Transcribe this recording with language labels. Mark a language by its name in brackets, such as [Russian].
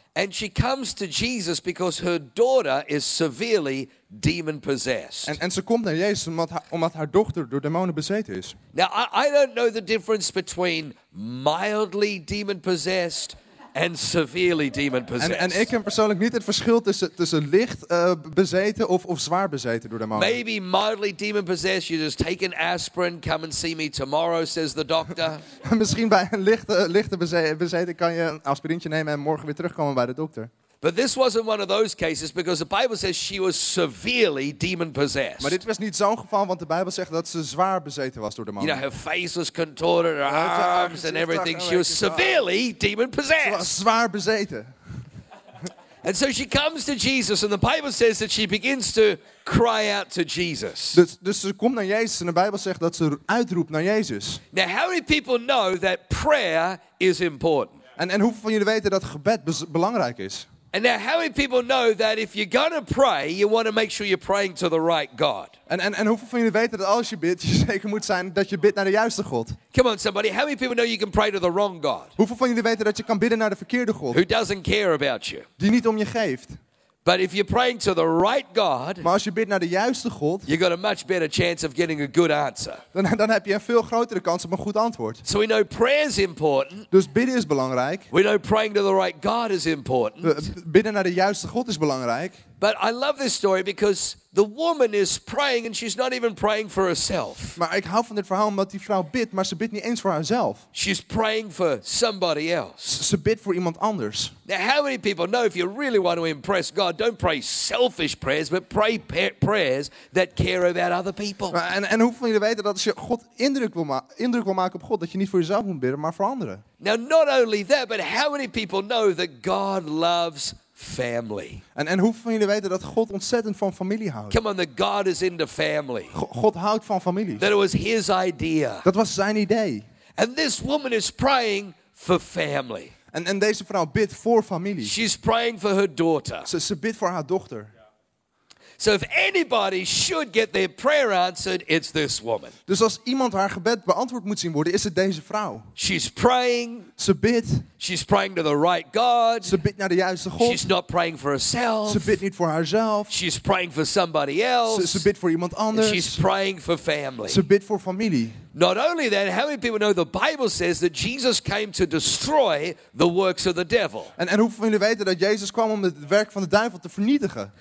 [English] And she comes to Jesus because her daughter is severely demon possessed. [Dutch] En ze komt naar Jezus omdat haar dochter door demonen bezeten is. [English] Now I don't know the difference between mildly demon possessed [Dutch] en [English] severely demon possessed. [Dutch] En ik ken persoonlijk niet het verschil tussen licht bezeten of zwaar bezeten door de demon. [English] Maybe mildly demon possessed, you just take an aspirin, come and see me tomorrow, says the doctor. [Dutch] Misschien bij een lichte bezeten kan je een aspirintje nemen en morgen weer terugkomen bij de dokter. [English] But this wasn't one of those cases because the Bible says she was severely demon possessed. [Dutch] Maar dit was niet zo'n geval, want de Bijbel zegt dat ze zwaar bezeten was door de man. [English] You know, her face was contorted, her arms and everything. She was severely demon possessed. [Dutch] Ze was zwaar bezeten. [English] And so she comes to Jesus, and the Bible says that she begins to cry out to Jesus. [Dutch] Dus ze komt naar Jezus, en de Bijbel zegt dat ze uitroept naar Jezus. [English] Now, how many people know that prayer is important? [Dutch] En hoeveel van jullie weten dat gebed belangrijk is? [English] And now, how many people know that if you're going to pray, you want to make sure you're praying to the right God? [Dutch] En hoeveel van jullie weten dat als je bidt, je zeker moet zijn dat je bidt naar de juiste God? [English] Come on, somebody. How many people know you can pray to the wrong God? [Dutch] Hoeveel van jullie weten dat je kan bidden naar de verkeerde God? [English] Who doesn't care about you? [Dutch] Die niet om je geeft. [English] But if you're praying to the right God, [Dutch] maar als je bidt naar de juiste God, [English] you got a much better chance of getting a good answer. [Dutch] Dan heb je een veel grotere kans op een goed antwoord. [English] So we know prayer is important. [Dutch] Dus bidden is belangrijk. [English] We know praying to the right God is important. [Dutch] Bidden naar de juiste God is belangrijk. [English] But I love this story because the woman is praying and she's not even praying for herself. [Dutch] Maar ik hou van dit verhaal omdat die vrouw bidt, maar ze bidt niet eens voor haarzelf. [English] She's praying for somebody else. [Dutch] Ze bidt voor iemand anders. [English] Now, how many people know if you really want to impress God, don't pray selfish prayers, but pray prayers that care about other people. [Dutch] En hoeveel van jullie weten dat als je God indruk wil maken op God, dat je niet voor jezelf moet bidden, maar voor anderen. [English] Now, not only that, but how many people know that God loves family. [Dutch] En hoeveel van jullie weten dat God ontzettend van familie houdt? [English] Come on, that God is into family. [Dutch] God houdt van families. [English] That it was his idea. [Dutch] Dat was zijn idee. [English] And this woman is praying for family. [Dutch] En deze vrouw bidt voor familie. [English] She's praying for her daughter. [Dutch] Ze bidt voor haar dochter. [English] So if anybody should get their prayer answered, it's this woman. [Dutch] Dus als iemand haar gebed beantwoord moet zien worden, is het deze vrouw. [English] She's praying. [Dutch] Ze bidt. [English] She's praying to the right God. [Dutch] Ze bidt naar de juiste God. [English] She's not praying for herself. [Dutch] Ze bidt niet voor haarzelf. [English] She's praying for somebody else. [Dutch] Ze bidt voor iemand anders. [English] She's praying for family. [Dutch] Ze bidt voor familie. [English] Not only that, how many people know the Bible says that Jesus came to destroy the works of the devil? [Dutch] En hoeveel van jullie weten dat Jezus kwam om het werk van de duivel te vernietigen?